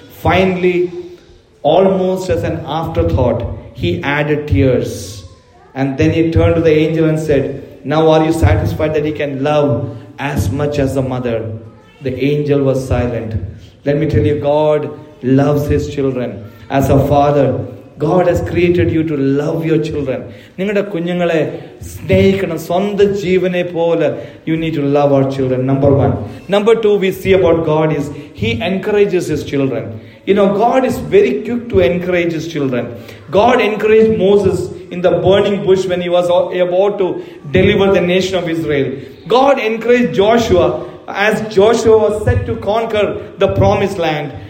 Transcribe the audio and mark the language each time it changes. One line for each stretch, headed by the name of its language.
English: Finally, almost as an afterthought, he added tears. And then he turned to the angel and said, now are you satisfied that he can love as much as the mother? The angel was silent. Let me tell you, God loves his children. As a father, God has created you to love your children.
Malayalam: നിങ്ങളുടെ കുഞ്ഞുങ്ങളെ സ്നേഹിക്കണം, സ്വന്തം ജീവനെ പോലെ.
English: You need to love our children, number one. Number two, we see about God is he encourages his children. You know, God is very quick to encourage his children. God encouraged Moses in the burning bush when he was about to deliver the nation of Israel. God encouraged Joshua as Joshua was set to conquer the promised land.